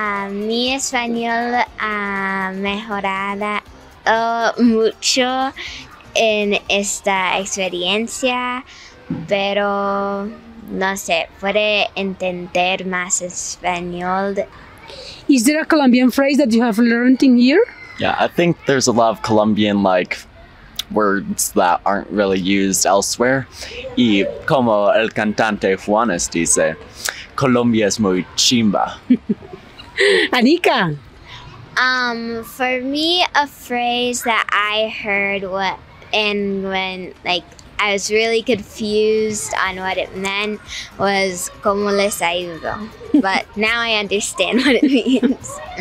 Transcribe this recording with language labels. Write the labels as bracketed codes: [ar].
[es] Mi español ha mejorado mucho en esta experiencia, pero no sé, puede entender más español. [en] Is there a Colombian phrase that you have learned in here? Yeah, I think there's a lot of Colombian like words that aren't really used elsewhere. [es] Y como el cantante Juanes dice, Colombia es muy chimba. [en] Anika? For me, a phrase that I heard when I was really confused on what it meant was, [es] ¿cómo les ayudo? [en] But now I understand what it means.